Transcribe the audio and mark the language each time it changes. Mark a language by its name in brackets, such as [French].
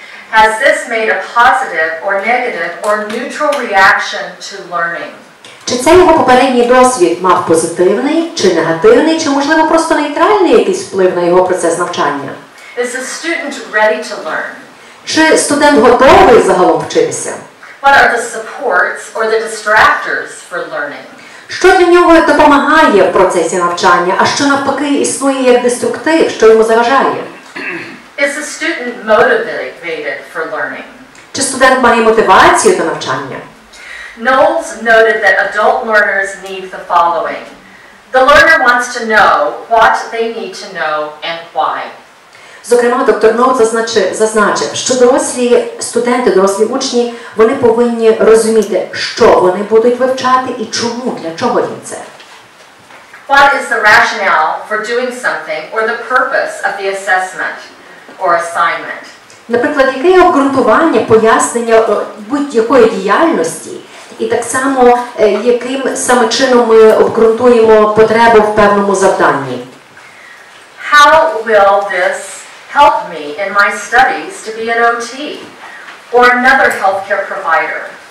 [English] Has this made a positive or negative or neutral reaction to learning? [Ukrainian] Чи цей його попередній досвід мав позитивний, чи негативний, чи, можливо, просто нейтральний якийсь вплив на його процес навчання? [English] Is the student ready to learn? [Ukrainian] Чи студент готовий загалом вчитися? [English] What are the supports or the distractors for learning? [Ukrainian] Що для нього допомагає в процесі навчання, а що навпаки існує як деструктив, що йому заважає? [English] Is the student motivated for learning? [Ukrainian] Чи студент має мотивацію до навчання? [English] Knowles noted that adult learners need the following. The learner wants to know what they need to know and why. [Ukrainian] Зокрема, доктор Ноут зазначив, що дорослі студенти, дорослі учні, вони повинні розуміти, що вони будуть вивчати і чому, для чого їм це. [English] What is the rationale for doing something or the purpose of the assessment or assignment? [Ukrainian] Наприклад, яке є обґрунтування, пояснення будь-якої діяльності? І так само, яким саме чином ми обґрунтуємо потребу в певному завданні? [English] How will this help me in my studies to be an OT or another healthcare provider?